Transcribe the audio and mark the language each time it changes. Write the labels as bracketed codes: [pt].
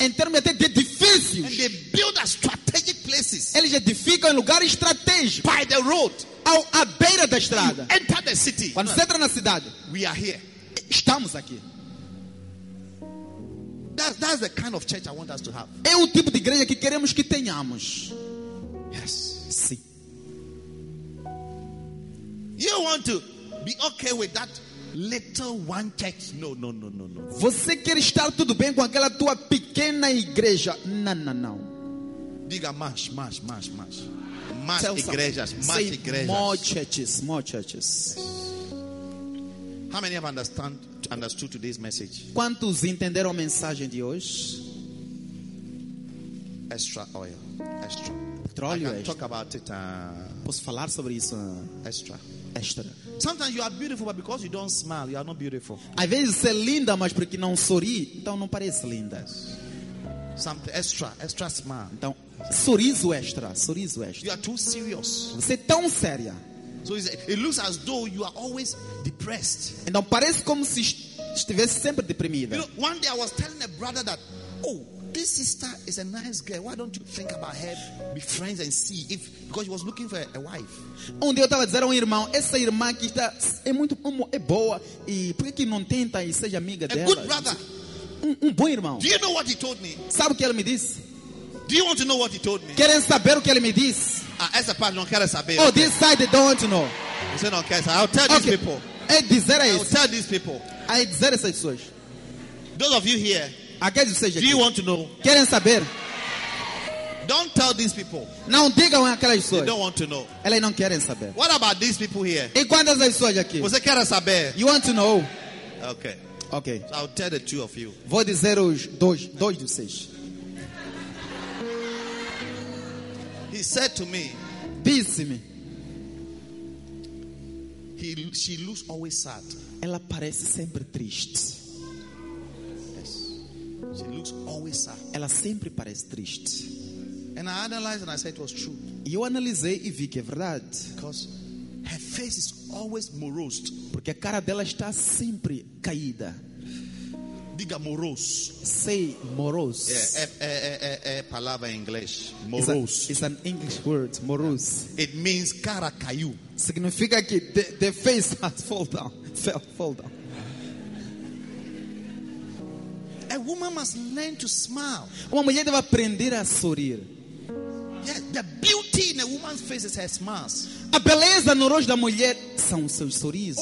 [pt] Em termos até de edifícios. [en] And they build as strategic places. [pt] Eles edificam em lugares estratégicos. [en] By the road. [pt] À beira da estrada. [en] You enter the city. [pt] Quando você entra na cidade. [en] We are here. [pt] Estamos aqui. [en] That's the kind of church I want us to have. [pt] É o tipo de igreja que queremos que tenhamos. [en] Yes. [pt] Sim. [en] You want to be okay with that little one church? No. [pt] Você quer estar tudo bem com aquela tua pequena igreja? Não. Diga mais. Mais igrejas. [en] More churches. How many have understood today's message? [pt] Quantos entenderam a mensagem de hoje? [en] Extra oil. [pt] Petróleo. [en] I can talk about it. [pt] Posso falar sobre isso? [en] Extra. Sometimes you are beautiful, but because you don't smile, you are not beautiful. [pt] Às vezes você é linda, mas porque não sorri, então não parece linda. [en] Something extra smile. [pt] Então sorriso extra. [en] You are too serious. [pt] Você é tão séria. [en] So it looks as though you are always depressed. [pt] Então parece como se estivesse sempre deprimida. [en] You know, one day I was telling a brother that, oh, this sister is a nice girl. Why don't you think about her, be friends and see if, because she was looking for a wife. [pt] Um dia eu estava dizendo a um irmão, essa irmã que está é boa e por que não tenta e seja amiga dela? [en] A good brother. [pt] Um bom irmão. [en] Do you know what he told me? [pt] Sabe o que ele me disse? [en] Do you want to know what he told me? [pt] Querem saber o que ele me disse? Essa parte não quero saber. [en] Oh, this side they don't want to know. [pt] Você não quer saber. [en] I'll tell these people. [pt] I dizer essas pessoas. [en] Those of you here. [pt] Aqueles de vocês aqui. [en] Do you want to know? [pt] Querem saber? [en] Don't tell these people. [pt] Não digam aquelas pessoas. [en] They don't want to know. [pt] Elas não querem saber. [en] What about these people here? [pt] E quantas pessoas aqui? Você quer saber? [en] You want to know? Okay. Okay. So I'll tell the two of you. [pt] Vou dizer os dois de vocês. [en] He said to me, [pt] disse-me, [en] she looks always sad. [pt] Ela parece sempre triste. [en] Yes. She looks always sad. [pt] Ela sempre parece triste. [en] And I analyzed and I said it was true. [pt] E eu analisei e vi que é verdade. [en] Because her face is always morose. [pt] Porque a cara dela está sempre caída. Diga morose. [en] Say morose. [pt] Palavra em inglês. Morose. [en] It's an English word. Morose. Yeah. It means [pt] cara caiu. Significa que [en] the face has fallen down. Fell down. A woman must learn to smile. [pt] Uma mulher deve aprender a sorrir. [en] Yeah, the beauty in a woman's face is her smiles. [pt] A beleza no rosto da mulher são seus sorrisos.